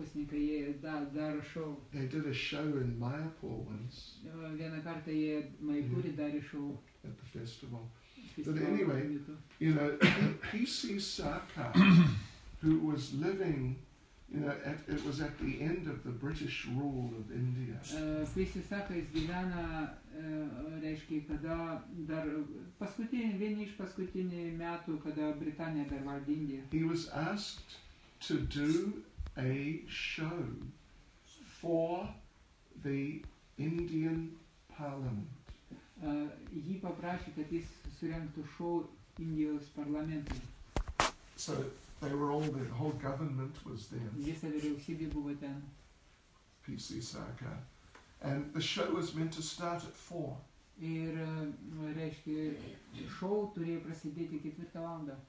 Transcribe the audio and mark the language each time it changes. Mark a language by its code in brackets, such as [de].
[en] They did a show in Mayapur once, at the festival. But anyway, you know, P.C. Saka, who was living, you know, at, it was at the end of the British rule of India. P.C. [lt] Saka is gyvena, reiškia, kada dar paskutinį, vieni iš paskutinį metų, kada Britanija dar valdė Indiją. [en] He was asked to do a show for the Indian Parliament. [lt] Jį paprašė, kad jis surengtų šou Indijos parlamentui. [en] So they were all there, the whole government was there. [lt] Visa vyriausybė buvo ten. [en] P.C. Saka. And the show was meant to start at 4. [lt] Ir, reiškia, šou turėjo prasidėti 4 valandą.